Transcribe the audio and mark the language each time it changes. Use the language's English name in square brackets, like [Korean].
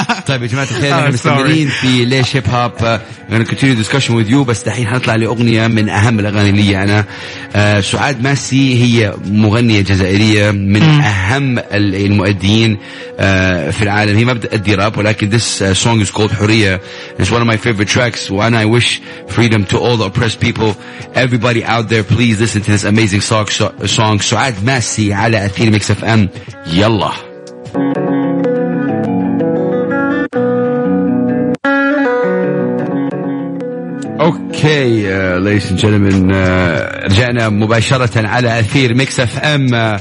[Arabic] طيب يا جماعة الخير احنا مستمرين في ليش هيب هوب. [English] Gonna continue discussion with you, [Arabic] بس دحين هنطلع لأغنية من أهم الأغاني اللي أنا سعاد ماسي. هي مغنية جزائرية من أهم المؤديين في العالم. هي ما بتأدي راب, ولكن [English] this song is called حرية. It's one of my favorite tracks. And I wish freedom to all the oppressed people. Everybody out there, please listen to this amazing song. [Arabic] Song سعاد ماسي على أثير ميكس اف ام. يلا اوكي ليش جنتلمن رجعنا مباشرة على أثير ميكس اف ام.